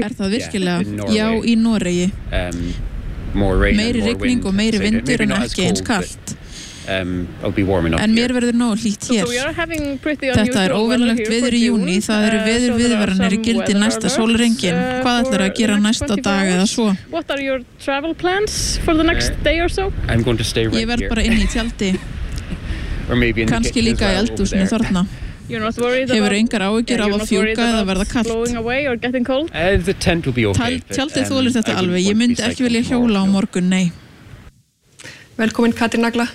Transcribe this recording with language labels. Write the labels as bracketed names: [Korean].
[Icelandic] Er það virkilega? Já, í Noregi. Meiri rigning og meiri vindur en ekki eins kalt. En mér verður nóg hlýtt hér. Þetta er óvenjulegt veður í júní, það eru veður viðvaranir í gildi næsta sólarhringinn. Hvað ætlarðu að gera næsta dag eða svo? [English] What are your travel plans for the next day or so? I'm going to stay right here. [Icelandic] Ég verð bara inn í tjaldi. Kannski líka í eldhúsinu þarna. Hefur engar áhyggjur af að fjúka eða verða kalt? [English] The tent will be okay. [Icelandic] Tjaldið þolir þetta alveg, ég myndi ekki vilja hjóla á morgun, nei. Velkomin Katrín Nagla.